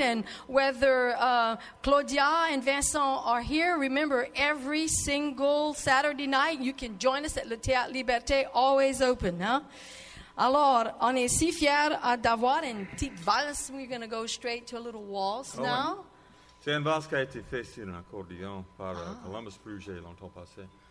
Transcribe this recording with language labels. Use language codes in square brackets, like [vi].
[en] And whether Claudia and Vincent are here, remember every single Saturday night you can join us at Le Théâtre Liberté, always open. Huh? [fr] Alors, on est si fiers d'avoir une petite valse. [en] We're going to go straight to a little waltz now. [fr] C'est une valse qui a été faite sur un accordéon par Columbus Bruges longtemps passé.